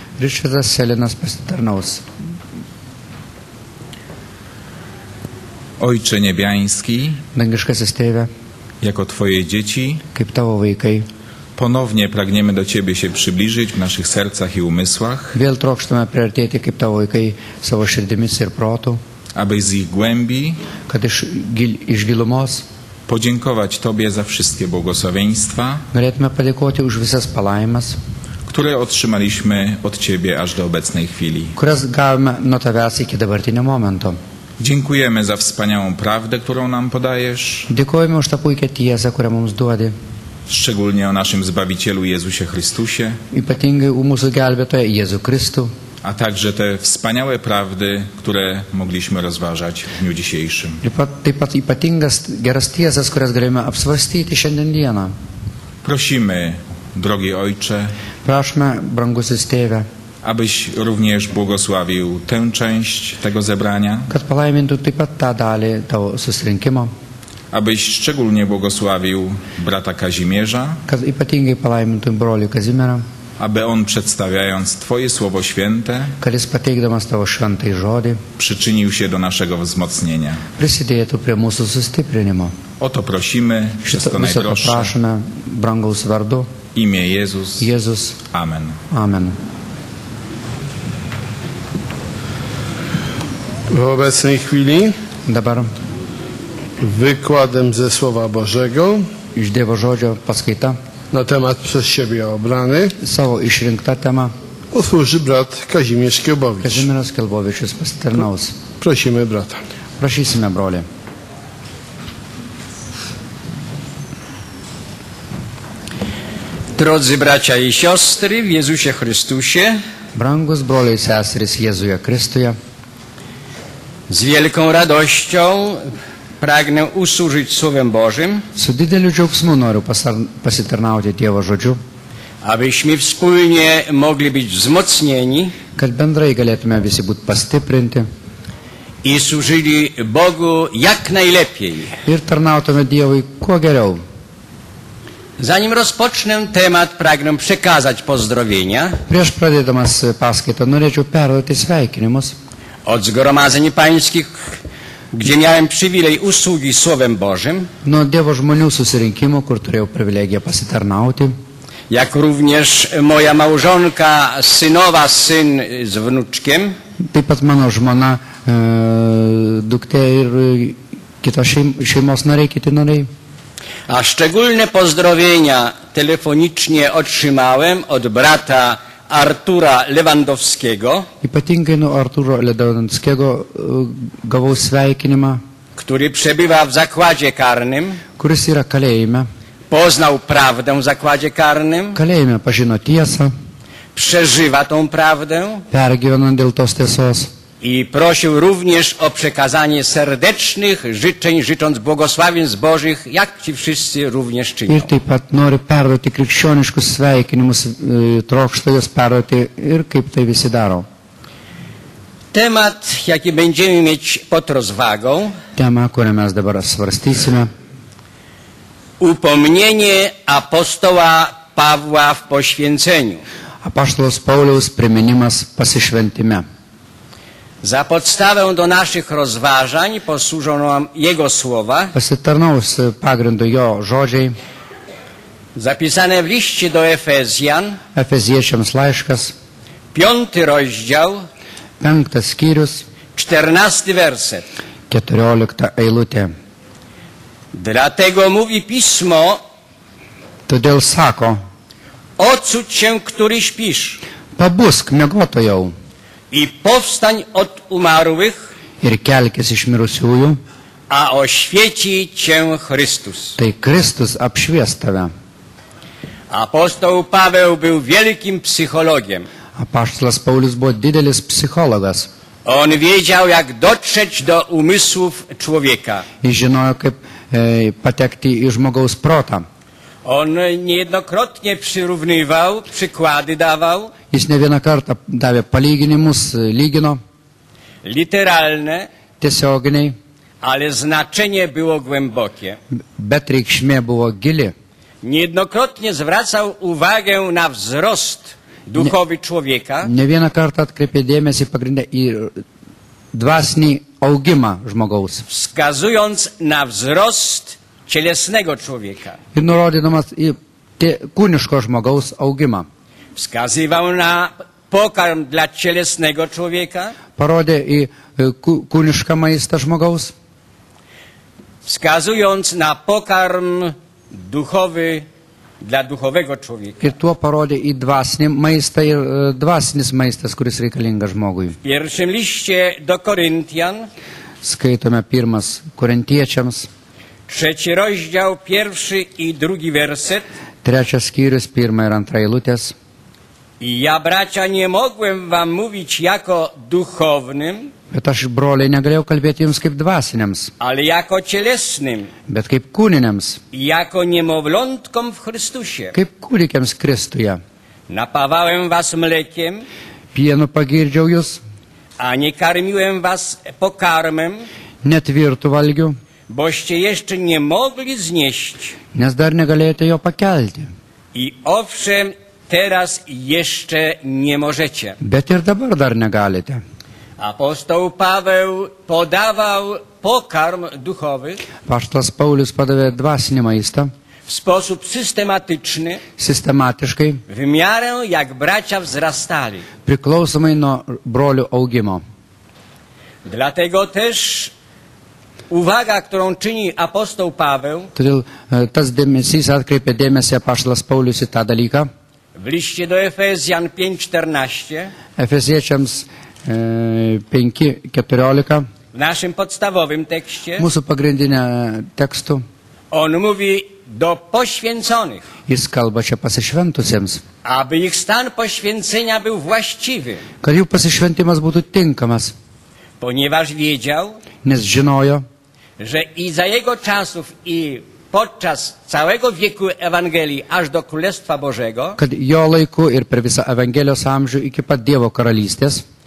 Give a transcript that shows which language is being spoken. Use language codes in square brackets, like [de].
[lt] Ryszardas Selinas pasitarnaus. [pl] Ojcze Niebiański, [lt] Tęgiuszkasis Tėve, [pl] jako Twoje dzieci, [lt] kaip tavo vaikai. [pl] Ponownie pragniemy do Ciebie się przybliżyć w naszych sercach i umysłach, [lt] vėl trokštume priartėti kaip tavo vaikai savo širdimis ir protu, [pl] aby z ich głębi, [lt] kad iš gilumos, [pl] podziękować Tobie za wszystkie błogosławieństwa, [lt] norėtume padėkoti už visas palaimas, [pl] które otrzymaliśmy od Ciebie aż do obecnej chwili, [lt] kurias gavome nuo tavęs iki dabartinio momento. [pl] Dziękujemy za wspaniałą prawdę, którą nam podajesz. Dziękujemy [lt] už tą puikią tiesą, kurią mums duodi. [pl] Szczególnie o naszym Zbawicielu Jezusie Chrystusie. [lt] Ypatingai o mūsų gelbėtoją Jėzų Kristų. [pl] A także te wspaniałe prawdy, które mogliśmy rozważać w dniu dzisiejszym. [lt] Taip pat ypatingas geras tiesas, kurias galime apsvarstyti šiandien dieną. [pl] Prosimy, drogi Ojcze. [lt] Prašome, brangusis Tėve. [pl] Abyś również błogosławił tę część tego zebrania. [lt] Kad palaimintų taip pat tą dalį tavo susirinkimo. [pl] Abyś szczególnie błogosławił brata Kazimierza. [lt] Kad ypatingai palaimintų brolį Kazimierą. [pl] Aby on, przedstawiając Twoje Słowo Święte, [lt] kad jis pateikdamas tavo šventąjį žodį, [pl] przyczynił się do naszego wzmocnienia. [lt] Prisidėtų prie mūsų sustiprinimo. [pl] O to prosimy, przez to najdroższe. [lt] Visą to prašome, brangaus vardu. [pl] Imię Jezus. Jezus. Amen. Amen. W obecnej chwili [lt] dabar [pl] wykładem ze Słowa Bożego [lt] iš Dievo žodžio paskaita [pl] na temat przez siebie obrany [lt] savo išrinkta tema [pl] posłuży brat Kazimierz Kielbowicz. [lt] Kazimierz Kielbowicz jest pasternaus. [pl] Prosimy brata. Prosimy, [lt] broli. [pl] Drodzy bracia i siostry w Jezusie Chrystusie, [lt] brangus broli i seseris Jezuje Chrystuje, [pl] z wielką radością pragnę usłużyć Słowem Bożym. [lt] Su dideliu džiaugsmu noriu pasitarnauti Dievo žodžiu. [pl] Abyśmy wspólnie mogli być wzmocnieni. [lt] Kad bendrai galėtume visi būti pastiprinti. [pl] I służyli Bogu jak najlepiej. [lt] Ir tarnautume Dievui kuo geriau. [pl] Zanim rozpocznę temat, pragnę przekazać pozdrowienia. [lt] Prieš pradėdamas paskaitą, norėčiau perduoti sveikinimus. [pl] Od zgromadzeń pańskich, gdzie miałem przywilej usługi Słowem Bożym. [lt] No, Dievo žmonių susirinkimo, kur turėjau privilegiją pasitarnauti. [pl] Jak również moja małżonka, synowa, syn z wnuczkiem. [lt] Taip pat mano žmona, duktė ir kitos šeimos nariai, kiti nariai. [pl] A szczególne pozdrowienia telefonicznie otrzymałem od brata Artura Lewandowskiego. [lt] Ypatingai nuo Arturo Lewandowskiego gavau sveikinimą, [pl] który przebywa w zakładzie karnym. [lt] Kuris yra kalėjime. [pl] Poznał prawdę w zakładzie karnym. [lt] Kalėjime pažino tiesą. [pl] Przeżywa tą prawdę. [lt] Pergyveno dėl tos tiesos. [pl] I prosił również o przekazanie serdecznych życzeń, życząc błogosławień z Bożych, jak ci wszyscy również czynią. [lt] Ir taip pat noriu perduoti krikščioniškus sveikinimus, trokštų juos perduoti ir kaip tai visi daro. [pl] Temat, jaki będziemy mieć pod rozwagą, [lt] tema, kurią mes dabar svarstysime, [pl] upomnienie apostoła Pawła w poświęceniu. [lt] Apaštalas Pauliaus priminimas pasišventime. [pl] Za podstawę do naszych rozważań posłużą nam jego słowa. [lt] Pasitarnaus pagrindu jo žodžiai. [pl] Zapisane w liście do Efezjan. [lt] Efeziečiams laiškas. [pl] 5 rozdział. [lt] 5 skyrius. [pl] 14 werset. [lt] 14 eilutė. [pl] Dlatego mówi pismo. [lt] Todėl sako. [pl] Odsuć się, który śpisz. [lt] Pabusk, miegotojau. [pl] I powstań od umarłych. [lt] Ir kelkis iš mirusiųjų. [pl] A oświeci cię Chrystus. [lt] Tai Chrystus apšvies tave. [pl] Apostoł Paweł był wielkim psychologiem. [lt] Apaštalas Paulius buvo didelis psichologas. [pl] On wiedział, jak dotrzeć do umysłów człowieka. [lt] I žinojo, kaip patekti į žmogaus protą. [pl] On niejednokrotnie przyrównywał, przykłady dawał. [lt] Jis ne vieną kartą davė palyginimus, lygino. [pl] Literalne. [lt] Tiesioginiai. [pl] Ale znaczenie było głębokie. [lt] Bet reikšmė buvo gili. [pl] Niejednokrotnie zwracał uwagę na wzrost duchowy człowieka. [lt] Ne vieną kartą atkreipė dėmesį pagrindę į dvasinį augimą žmogaus. [pl] Wskazując na wzrost cielesnego człowieka. [lt] I nurodinamas i kūniško žmogaus augimą. [pl] Wskazywał na pokarm dla cielesnego człowieka. [lt] Parodė į kūnišką maistą žmogaus. [pl] Wskazując na pokarm duchowy dla duchowego człowieka. [lt] Ir tuo parodė į dvasinį maistą ir dvasinis maistas, kuris reikalingas žmogui. [pl] W pierwszym liście do Koryntian. [lt] Skaitome pirmas korintiečiams. [pl] Trzeci rozdział, pierwszy i drugi werset. [lt] Trečias skyrius, pirma ir antra eilutės. [pl] I ja, bracia, nie mogłem wam mówić jako duchownym. [lt] Bet aš, broliai, negalėjau kalbėti jums kaip dvasiniams. [pl] Ale jako cielesnym. [lt] Bet kaip kūniniams. [pl] Jako niemowlątkom w Chrystusie. [lt] Kaip kūdikiams Kristuje. [pl] Napawałem was mlekiem. [lt] Pienu pagirdžiau jūs. [pl] A nie karmiłem was pokarmem. [lt] Netvirtu valgiu. [pl] Boście jeszcze nie mogli znieść. [lt] Nes dar negalėjote jo pakelti. [pl] I owszem, teraz jeszcze nie możecie. [lt] Bet ir dabar dar negalite. [pl] Apostoł Paweł podawał pokarm duchowy. [lt] Apostolas Paulius podawė dvasinį maistą. [pl] W sposób systematyczny. [lt] Systematiškai. [pl] W miarę jak bracia wzrastali. [lt] Priklausomai nuo brolių augimo. [pl] Dlatego też uwaga, którą czyni apostoł Paweł. [lt] Todėl tas dėmesys atkreipė dėmesį apaštalas Paulius į tą dalyką. [pl] W liście do Efezjan 5:14. [lt] Efeziečiams 5:14. [pl] W naszym podstawowym tekście. [lt] Mūsų pagrindinė tekstu. [pl] On mówi do poświęconych. [lt] Jis kalba čia pasišventusiems. [pl] Aby ich stan poświęcenia był właściwy. [lt] Kad jų pasišventimas būtų tinkamas. [pl] Ponieważ wiedział. [lt] Nes žinojo. [pl] Że i za jego czasów i podczas całego wieku Ewangelii aż do Królestwa Bożego. [lt] Kad jo laiku ir per visą Evangelijos amžių iki pat Dievo karalystės.